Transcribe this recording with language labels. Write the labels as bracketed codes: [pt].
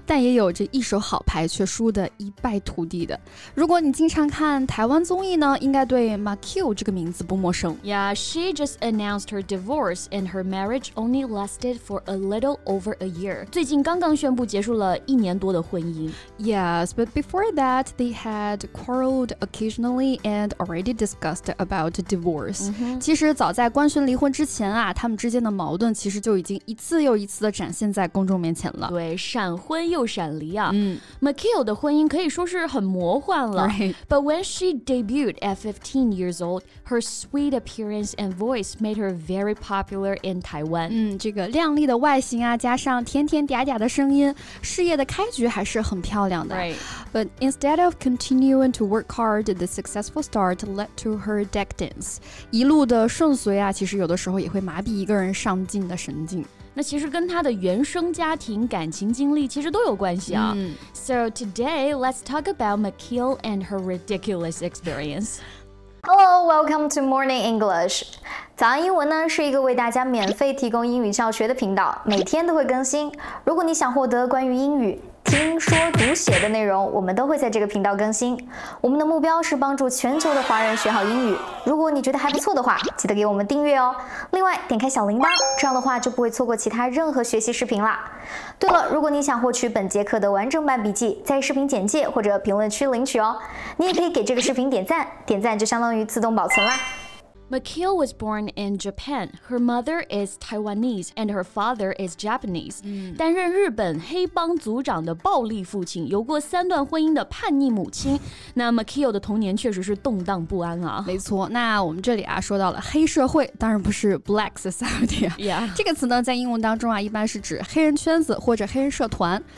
[zh] 但也有着一手好牌却输得一败涂地的。如果你经常看台湾综艺呢，应该对 Makiu 这个名字不陌生。 [en] Yeah, she just announced her divorce and her marriage only lasted for a little over a year. [zh] 最近刚刚宣布结束了一年多的婚姻。 [en] Yes, but before that, they had quarreled occasionally and already discussed about divorce.、Mm-hmm. [zh] 其实早在官宣离婚之前啊，他们之间的矛盾其实就已经一次又一次的展现在公众面前了。对，闪婚又闪离啊。嗯 ，Makiu 的婚姻可以说是很魔幻了。 [en] Right. But when she debuted at 15 years old, her sweet appearance and voice made her very popular in Taiwan. [zh] 嗯，这个靓丽的外形啊，加上甜甜嗲嗲的声音，事业的开局还是很漂亮的。 [en] Right. But instead of continuing to work hard, the successful start led to her deck dance. [zh] 一路的顺遂啊，其实有的时候也会麻痹一个人上进的神经。那其实跟他的原生家庭、感情经历其实都有关系啊。嗯、 [en] So today, let's talk about Makiu and her ridiculous experience. Hello, welcome to Morning English. [zh] 早安英文呢是一个为大家免费提供英语教学的频道，每天都会更新。如果你想获得关于英语听说读写的内容，我们都会在这个频道更新。我们的目标是帮助全球的华人学好英语。如果你觉得还不错的话，记得给我们订阅哦。另外，点开小铃铛，这样的话就不会错过其他任何学习视频啦。对了，如果你想获取本节课的完整版笔记，在视频简介或者评论区领取哦。你也可以给这个视频点赞，点赞就相当于自动保存啦。 [en] Makiu was born in Japan. Her mother is Taiwanese and her father is Japanese.、嗯、 [zh] 担任日本黑帮族长的暴力父亲，有过三段婚姻的叛逆母亲。那 Makiu 的童年确实是动荡不安啊。没错，那我们这里啊说到了黑社会，当然不是 Black Society、啊。 [en] Yeah. [zh] 这个词呢在英文当中啊一般是指黑人圈子或者黑人社团。